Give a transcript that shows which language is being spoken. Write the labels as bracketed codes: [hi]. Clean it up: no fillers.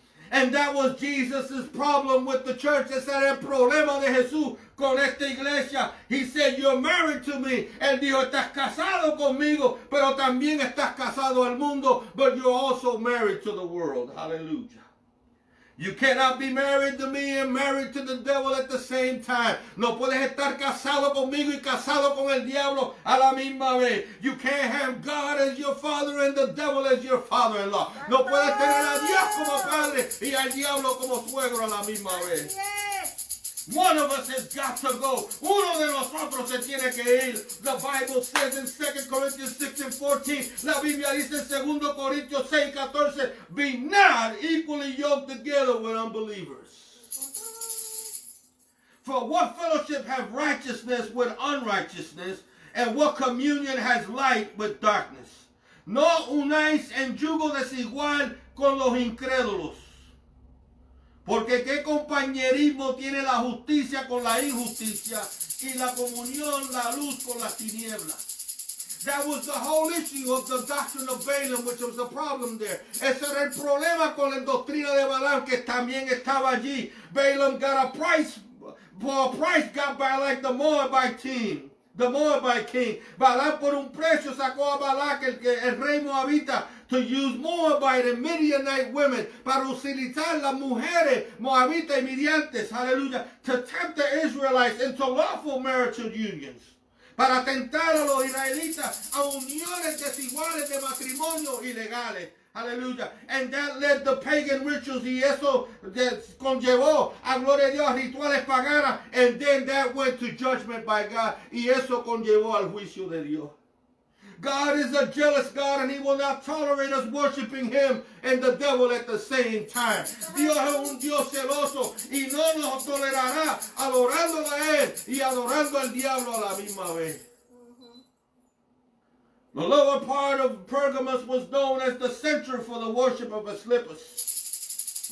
[en] And that was Jesus' problem with the church. [es] Ese era el problema de Jesús con esta iglesia. [en] He said, you're married to me. [es] Él dijo, estás casado conmigo, pero también estás casado al mundo. [en] But you're also married to the world. Hallelujah. You cannot be married to me and married to the devil at the same time. [es] No puedes estar casado conmigo y casado con el diablo a la misma vez. [en] You can't have God as your father and the devil as your father-in-law. [es] No puedes tener a Dios como padre y al diablo como suegro a la misma vez. [en] One of us has got to go. [es] Uno de nosotros se tiene que ir. [en] The Bible says in 2 Corinthians 6:14. [es] La Biblia dice en 2 Corintios 6:14. [en] Be not equally yoked together with unbelievers. For what fellowship have righteousness with unrighteousness? And what communion has light with darkness? [es] No unáis en yugo desigual con los incrédulos. Porque qué compañerismo tiene la justicia con la injusticia y la comunión, la luz con las tinieblas. [en] That was the whole issue of the doctrine of Balaam, which was the problem there. [es] Ese era el problema con la doctrina de Balaam, que también estaba allí. [en] Balaam got a price, for a price got by like the Moabite team. The Moabite king. [es] Balaam por un precio sacó a Balak, el rey Moabita, [en] to use Moabite and Midianite women [es] para utilizar las mujeres Moabita y Midiantes, hallelujah, [en] to tempt the Israelites into lawful marital unions. [es] Para tentar a los israelitas a uniones desiguales de matrimonio ilegales. Hallelujah. [en] And that led to pagan rituals. [es] Y eso conllevó a gloria de Dios, rituales paganas. [en] And then that went to judgment by God. [es] Y eso conllevó al juicio de Dios. [en] God is a jealous God and he will not tolerate us worshiping him and the devil at the same time. [es] Dios es un Dios celoso y no nos tolerará adorando a él y adorando al diablo a la misma vez. [en] The lower part of Pergamos was known as the center for the worship of Asclepius.